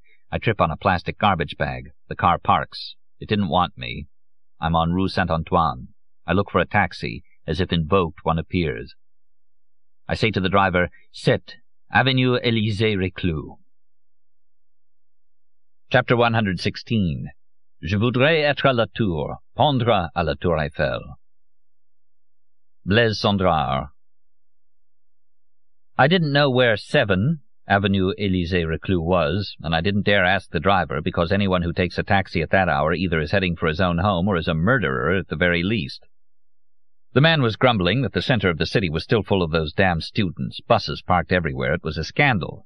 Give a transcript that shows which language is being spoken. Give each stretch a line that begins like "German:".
English: I trip on a plastic garbage bag. The car parks. It didn't want me. I'm on Rue Saint-Antoine. I look for a taxi. As if invoked, one appears. I say to the driver, "Sit, Avenue Élysée Reclus." Chapter 116.
French: Je voudrais être à la tour, pendre à la tour Eiffel. Blaise Cendrars.
English: I didn't know where 7 Avenue Élysée Reclus was, and I didn't dare ask the driver, because anyone who takes a taxi at that hour either is heading for his own home or is a murderer at the very least. The man was grumbling that the center of the city was still full of those damn students, buses parked everywhere. It was a scandal.